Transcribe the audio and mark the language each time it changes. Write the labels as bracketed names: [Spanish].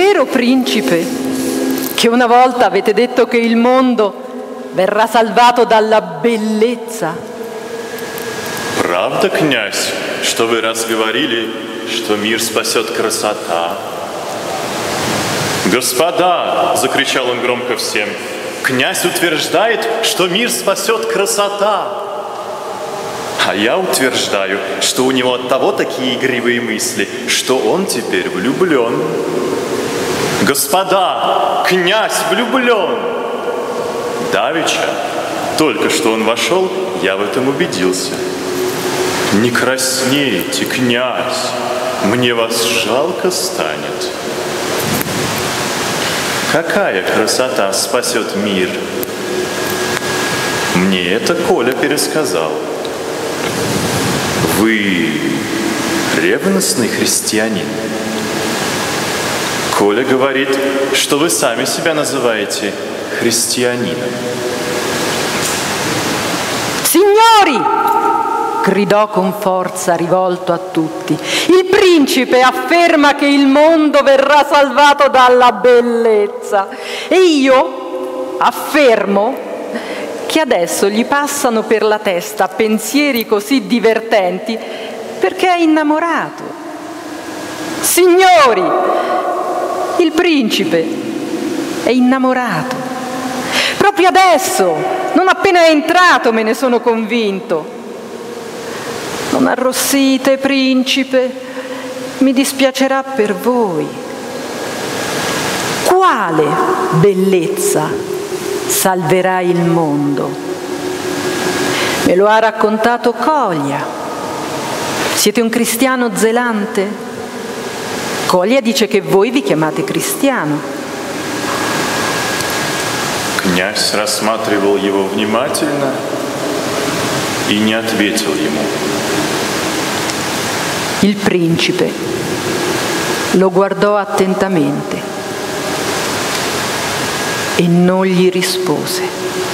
[Italian] principe, che una volta avete detto che il mondo verrà salvato dalla bellezza. [Russian] Правда, князь, что вы раз говорили, что мир спасет красота? Господа, закричал он громко всем, князь утверждает, что мир спасет красота. А я утверждаю, что у него от того такие игривые мысли, что он теперь влюблен. Господа, князь влюблен. Давеча, только что он вошел, я в этом убедился. Не краснейте, князь, мне вас жалко станет. Какая красота спасет мир? Мне это Коля пересказал. Вы ревностный христианин? Коля говорит, что вы сами себя называете христианином. [Italian] Сеньори! Gridò con forza, rivolto a tutti. Il principe afferma che il mondo verrà salvato dalla bellezza. E io affermo che adesso gli passano per la testa pensieri così divertenti perché è innamorato. Signori, il principe è innamorato. Proprio adesso, non appena è entrato, me ne sono convinto. Non arrossite, principe, mi dispiacerà per voi. Quale bellezza salverà il mondo? Me lo ha raccontato Colia. Siete un cristiano zelante? Colia dice che voi vi chiamate cristiano. [Russian] Князь рассматривал его внимательно и не ответил ему. [Italian] Il principe lo guardò attentamente e non gli rispose.